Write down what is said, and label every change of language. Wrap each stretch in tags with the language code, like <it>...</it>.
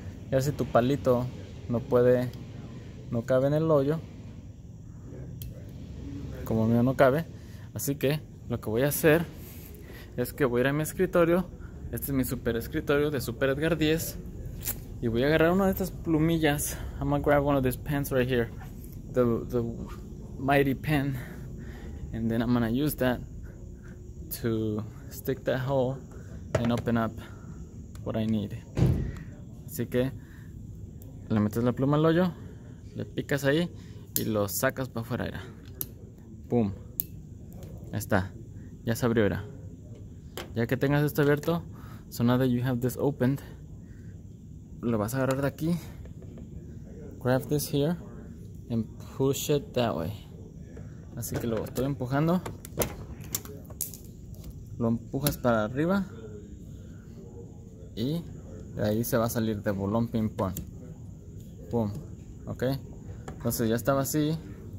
<es>Ya si tu palito no cabe en el hoyo, como el mío no cabe, así que lo que voy a hacer es que voy a ir a mi escritorio. Este es mi super escritorio de Super Edgar 10. Y voy a agarrar una de estas plumillas.</es> <en>I'm gonna grab one of these pens right here. The mighty pen. And then I'm gonna use that to stick that hole and open up what I need.</en> <es>Así que le metes la pluma al hoyo, le picas ahí y lo sacas para afuera, era. Boom. Ahí está. Ya se abrió, era. Ya que tengas esto abierto.</es> <en>So now that you have this opened,</en> <es>lo vas a agarrar de aquí,</es> <en>grab this here, and push it that way.</en> <es>Así que lo estoy empujando, lo empujas para arriba, y de ahí se va a salir de volón ping pong. Boom, ok. Entonces ya estaba así,</es>